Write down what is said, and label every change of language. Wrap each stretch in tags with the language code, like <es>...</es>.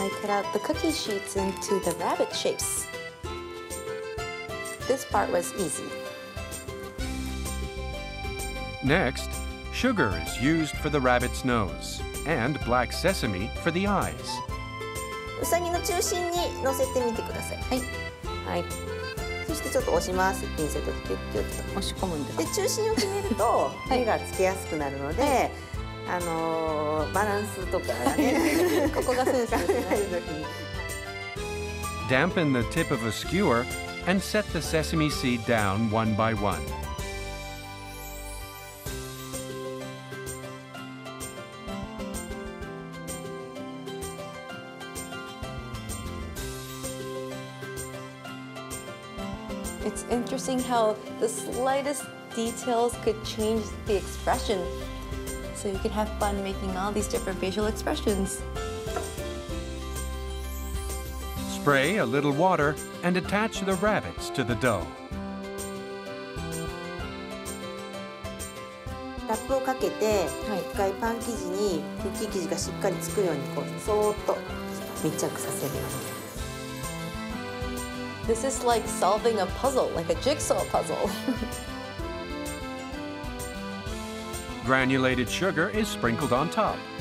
<en>Out the cookie sheets into the rabbit shapes. This part was easy. Next, sugar is used for the rabbit's nose and black sesame for the eyes.</en> <ja>うさぎの中心に乗せてみてください。はい。はい。そしてちょっと押します。ピンセットでキュッキュッと押し込むんです。で、中心を決めると目がつけやすくなるので、はいバランスとかね、ここがセンサーになる時に。</ja> <en>Dampen the tip of a skewer and set the sesame seed down one by one. It's interesting how the slightest details could change the expression. So you can have fun making all these different facial expressions. Spray a little water and attach the rabbits to the dough.</en> <ja>ラップをかけて、一回パン生地にクッキー生地がしっかりつくようにこうそーっと密着させるように。</ja> <en>This is like solving a puzzle, like a jigsaw puzzle. Granulated sugar is sprinkled on top.</en>